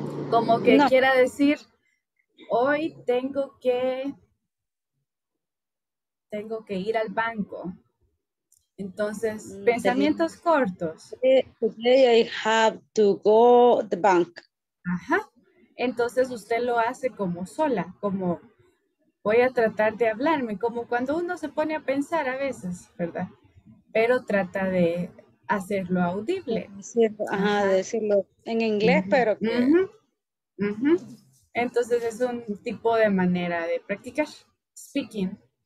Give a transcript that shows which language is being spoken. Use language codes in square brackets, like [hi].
[es] Como que no quiera decir, hoy tengo que ir al banco. Entonces, pensamientos cortos. [en] Today I have to go to the bank. Ajá. [es] Entonces, usted lo hace como sola, como voy a tratar de hablarme, como cuando uno se pone a pensar a veces, ¿verdad? Pero trata de hacerlo audible. Ajá, decirlo en inglés, uh-huh, pero que... Uh-huh. Uh-huh. Entonces es un tipo de manera de practicar speaking.